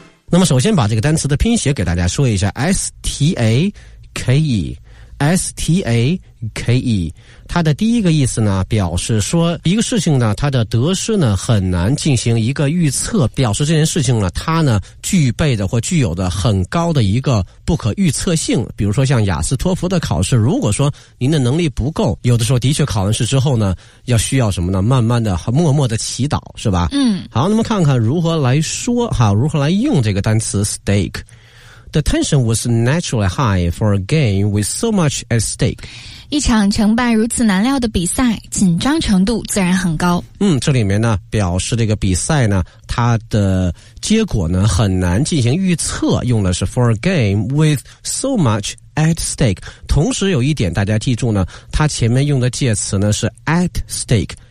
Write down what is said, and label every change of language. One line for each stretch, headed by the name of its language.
Chinese: 那么首先把这个单词的拼写给大家说一下， S-T-A-K-E S-T-A-K-E， 它的第一个意思呢表示说一个事情呢它的得失呢很难进行一个预测，表示这件事情呢它呢具备的或具有的很高的一个不可预测性。比如说像雅思托福的考试，如果说您的能力不够，有的时候的确考完试之后呢要需要什么呢，慢慢的默默的祈祷，是吧。好，那么看看如何来说哈，如何来用这个单词 stake。
English: The tension was naturally high for a game with so much at stake.
Chinese: 一场承办如此难料的比赛，紧张程度自然很高。这里面呢表示这个比赛呢它的结果呢很难进行预测，用的是
English: for a game with so much at stake。
Chinese: 同时有一点大家记住呢，它前面用的介词呢是 at stake。